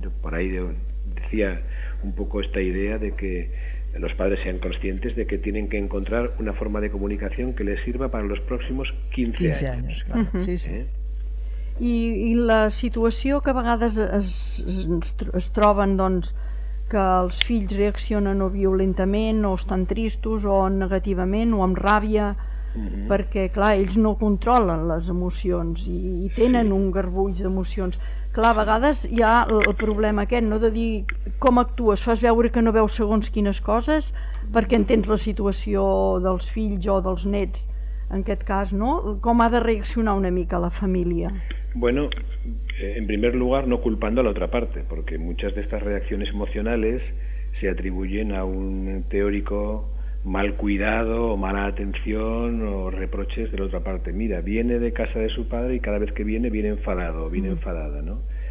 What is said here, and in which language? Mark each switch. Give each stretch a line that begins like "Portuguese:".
Spanish: Yo por ahí decía un poco esta idea de que los padres sean conscientes de que tienen que encontrar una forma de comunicación que les sirva para los próximos 15 años.
Catalan: I la situació que a vegades es troben, doncs, que els fills reaccionen o violentament o estan tristos o negativament o amb ràbia, perquè clar, ells no controlen les emocions i tenen un garbuix d'emocions. Clar, a vegades hi ha el problema aquest, no, de dir com actues, fas veure que no veus segons quines coses perquè entens la situació dels fills o dels nets, en aquest cas, no? Com ha de reaccionar una mica la família?
Spanish: Bueno, en primer lugar, no culpando a la otra parte, porque muchas de estas reacciones emocionales se atribuyen a un teórico mal cuidado o mala atención o reproches de la otra parte. Mira, viene de casa de su padre y cada vez que viene, viene enfadado, viene enfadada, ¿no?